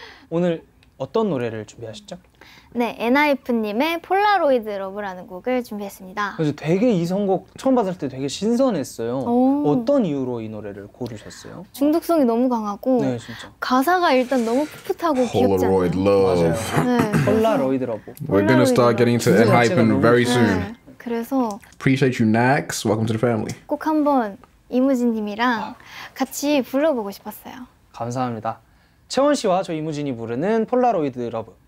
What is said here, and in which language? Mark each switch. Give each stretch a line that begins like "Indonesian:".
Korean: 오늘 어떤 노래를 준비하셨죠? 네, 엔하이픈님의 폴라로이드 러브라는 곡을 준비했습니다. 그래서 되게 이 선곡 처음 봤을 때 되게 신선했어요. 어떤 이유로 이 노래를 고르셨어요? 중독성이 너무 강하고 네, 진짜. 가사가 일단 너무 풋풋하고
English: Polaroid
Korean: 귀엽지 않나요? Love. 네. 폴라로이드 러브.
English: We're gonna start getting to enhypen very soon.
Korean: 네. 그래서
English: Appreciate you, Nax. Welcome to the family.
Korean: 꼭 한번 이무진님이랑 같이 불러보고 싶었어요. 감사합니다. 채원 씨와 저 이무진이 부르는 폴라로이드 러브.